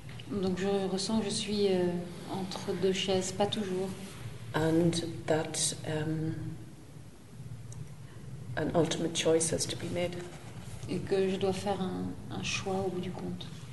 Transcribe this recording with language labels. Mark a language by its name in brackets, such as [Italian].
[French] Donc je ressens que je suis entre deux chaises, pas toujours. [English] And that an ultimate choice has to be made. [French] Et que je dois faire un choix au bout du compte.